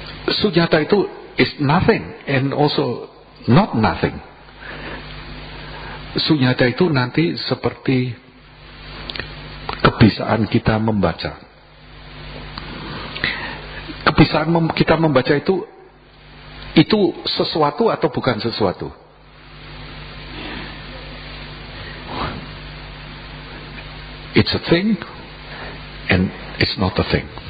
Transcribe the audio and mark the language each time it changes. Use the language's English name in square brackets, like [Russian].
[English] Sunyata itu is nothing and also not nothing. [Indonesian] Sunyata itu nanti seperti kebiasaan kita membaca. Kebiasaan kita membaca itu sesuatu atau bukan sesuatu? [English] It's a thing and it's not a thing.